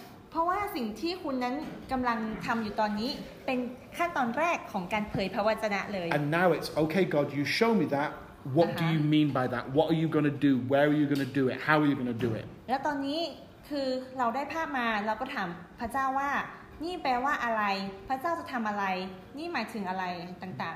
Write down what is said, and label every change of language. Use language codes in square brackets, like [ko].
[th] เพราะว่าสิ่งที่คุณนั้นกำลังทำอยู่ตอนนี้เป็นขั้นตอนแรกของการเผยพระวจนะเลย [en] And now it's, okay, God, you show me that. What do you mean by that? What are you going to do? Where are you going to do it? How are you going to do it? [th] แล้วตอนนี้คือเราได้ภาพมาเราก็ถามพระเจ้าว่านี่แปลว่าอะไรพระเจ้าจะทำอะไรนี่หมายถึงอะไรต่าง